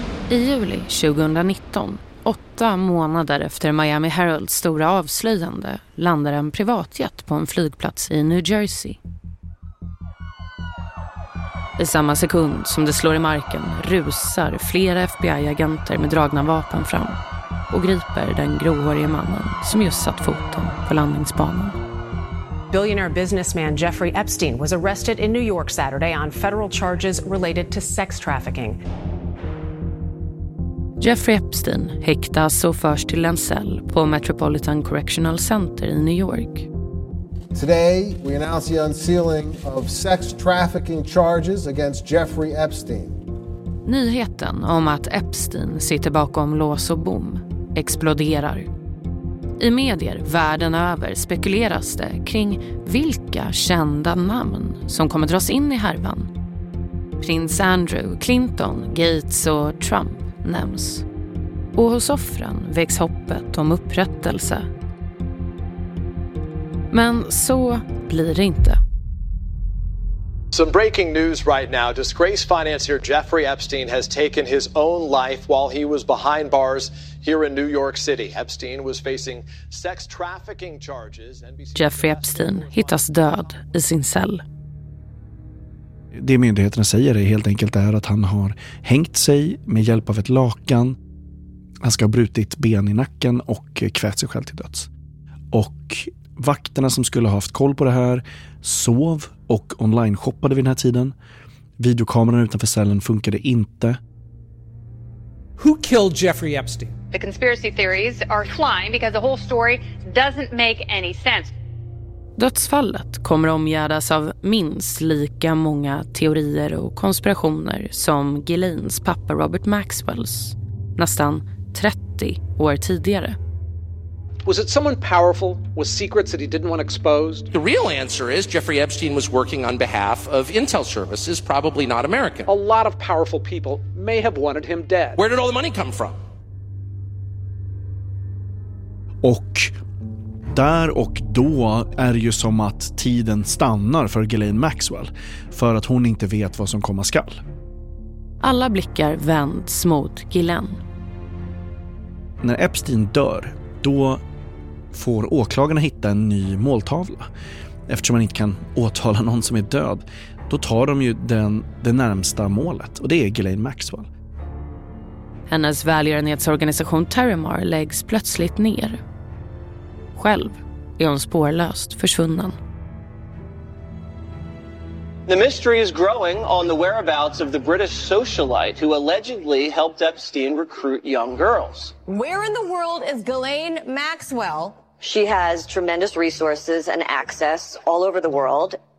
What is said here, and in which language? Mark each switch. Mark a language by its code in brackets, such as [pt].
[sv] I juli 2019, 8 månader efter Miami Heralds stora avslöjande, landar en privatjet på en flygplats i New Jersey. I samma sekund som det slår i marken rusar flera FBI-agenter med dragna vapen fram och griper den gråhåriga mannen som just satt foten på landningsbanan. [en] Billionaire businessman Jeffrey Epstein was arrested in New York Saturday on federal charges related to sex trafficking. [sv] Jeffrey Epstein häktas och förs till en cell på Metropolitan Correctional Center i New York. [en] Today we announce the unsealing of sex trafficking charges against Jeffrey Epstein. [sv] Nyheten om att Epstein sitter bakom lås och bom exploderar. I medier världen över spekuleras det kring vilka kända namn som kommer dras in i härvan. Prins Andrew, Clinton, Gates och Trump nämns. Och hos offren väcks hoppet om upprättelse. Men så blir det inte. [en] Some breaking news right now. Disgraced financier Jeffrey Epstein has taken his own life while he was behind bars here in New York City. Epstein was facing sex trafficking charges. [sv] Jeffrey Epstein hittas död i sin cell. Det myndigheterna säger är helt enkelt är att han har hängt sig med hjälp av ett lakan. Han ska ha brutit ben i nacken och kvävt sig själv till döds. Och vakterna som skulle ha haft koll på det här sov och online-shoppade vid den här tiden. Videokameran utanför cellen funkade inte. [en] Who killed Jeffrey Epstein? The conspiracy theories are flying because the whole story doesn't make any sense. [sv] Dödsfallet kommer omgärdas av minst lika många teorier och konspirationer som Ghislaines pappa Robert Maxwells nästan 30 år tidigare. [en] Was it someone powerful with secrets that he didn't want exposed? The real answer is Jeffrey Epstein was working on behalf of intel services, probably not American. A lot of powerful people may have wanted him dead. Where did all the money come from? [sv] Och där och då är det ju som att tiden stannar för Ghislaine Maxwell, för att hon inte vet vad som komma skall. Alla blickar vänds mot Ghislaine. När Epstein dör, då får åklagarna hitta en ny måltavla. Eftersom man inte kan åtala någon som är död, då tar de ju det närmsta målet, och det är Ghislaine Maxwell. Hennes välgörenhetsorganisation Terramar läggs plötsligt ner. Själv är hon spårlöst försvunnen. [en] The mystery is growing on the whereabouts of the British socialite who allegedly helped Epstein recruit young girls. Where in the world is Ghislaine Maxwell? She has tremendous resources and access all over the world.